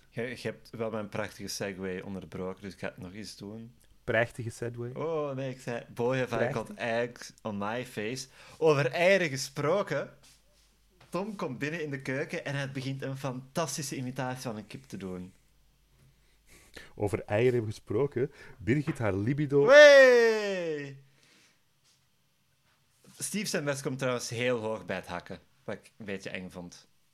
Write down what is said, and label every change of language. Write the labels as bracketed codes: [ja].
[nl] Je hebt wel mijn prachtige segue onderbroken, dus ik ga het nog eens doen. Prachtige segway. Oh, nee, ik zei... [en] Boy, have I got eggs on my face. [nl] Over eieren gesproken. Tom komt binnen in de keuken en hij begint een fantastische imitatie van een kip te doen. Over eieren gesproken. Birgit haar libido... Wee! Steve zijn best komt trouwens heel hoog bij het hakken. Wat ik een beetje eng vond.